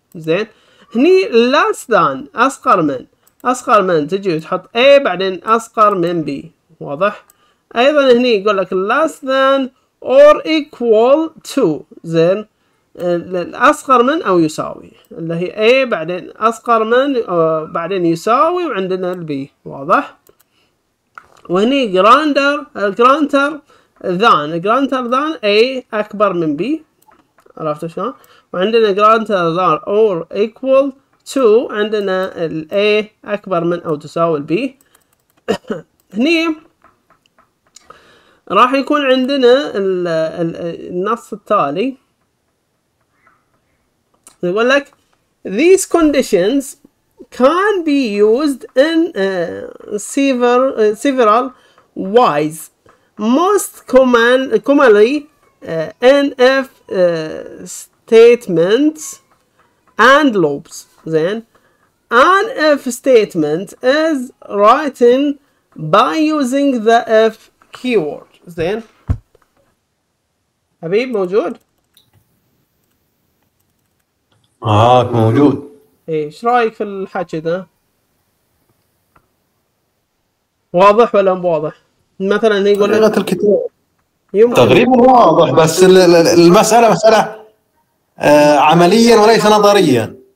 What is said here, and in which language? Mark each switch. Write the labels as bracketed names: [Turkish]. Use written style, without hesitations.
[Arabic] زين هني [English] less than [Arabic] أصغر من أصغر من تجي وتحط A بعدين أصغر من B واضح. أيضا هني يقول لك [English] less than or equal to [Arabic] زين الأصغر من أو يساوي اللي هي A بعدين أصغر من بعدين يساوي وعندنا B واضح. وهني [English] grander grander than grander than [Arabic] A أكبر من B عرفت شلون. وعندنا [English] grander than or equal to [Arabic] عندنا ال A أكبر من أو تساوي ال B. هني راح يكون عندنا النص التالي يقول لك [English] these conditions can be used in several ways most commonly in if statements and loops. Then an if statement is written by using the if keyword. [Arabic] Then Habib موجود؟ معاك موجود. ايه ايش رايك في الحكي ده واضح ولا مو واضح؟ مثلا يقول لغه الكتاب تقريبا واضح بس المساله مساله عمليا وليس نظريا